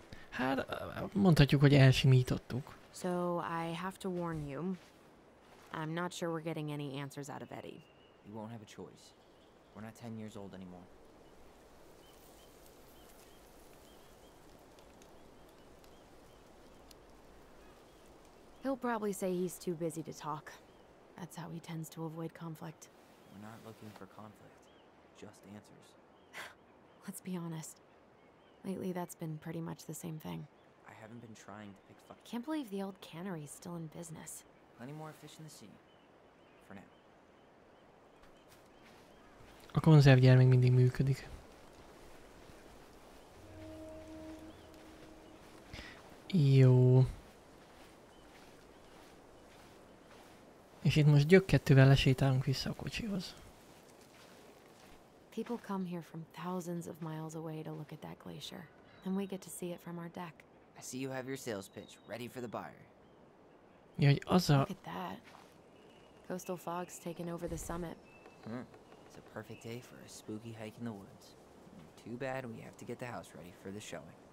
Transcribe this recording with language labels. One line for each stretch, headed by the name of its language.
Hungarian: Hát, mondhatjuk, hogy elsimítottuk.
English: So, I have to warn you. I'm not sure we're getting any answers out of Eddie. You won't have a choice. We're not 10 years old anymore. He'll probably say he's too busy to talk. That's how he tends to avoid conflict. We're not looking for conflict. Just answers. Let's be honest. Lately, that's been pretty much the same thing. I haven't been trying to pick fucking. Can't believe the old cannery's still in business. Plenty more fish in the sea. For now.
Hungarian: A konzervgyermek mindig működik. Jó. És itt most gyökkettővel lesétálunk vissza a kocsihoz.
English: People come here from thousands of miles away to look at that glacier, and we get to see it from our deck. I see you have your sales pitch ready for the buyer. Yeah, also look at that. Coastal fog's taken over the summit. It's a perfect day for a spooky hike in the woods. Too bad we have to get the house ready for the showing.